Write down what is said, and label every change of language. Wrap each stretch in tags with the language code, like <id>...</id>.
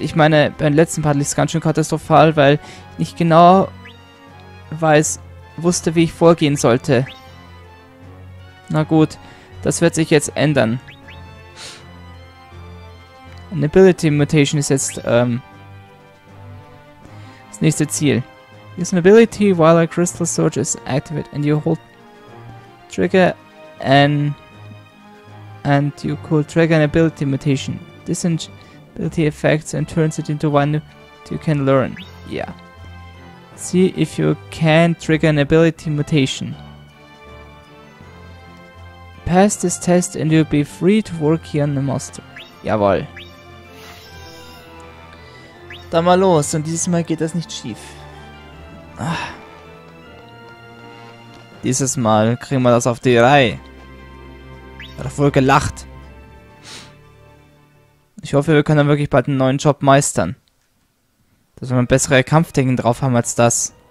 <de>Ich meine, beim letzten Part lief es ganz schön katastrophal, weil ich nicht genau wusste, wie ich vorgehen sollte. Na gut, das wird sich jetzt ändern. Eine Ability Mutation ist jetzt das nächste Ziel.</de> <en>Use an Ability while a Crystal Surge is activate and you hold trigger and you could trigger an Ability Mutation. This ability affects and turns it into one you can learn. Yeah. See if you can trigger an Ability Mutation. Pass this test and you'll be free to work here on the monster.</en> <de>Jawohl. Dann mal los, und dieses Mal geht das nicht schief. Ach. Dieses Mal kriegen wir das auf die Reihe. Hat wohl gelacht. Ich hoffe, wir können dann wirklich bald einen neuen Job meistern. Dass wir ein besseres Kampfdenken drauf haben als das.</de>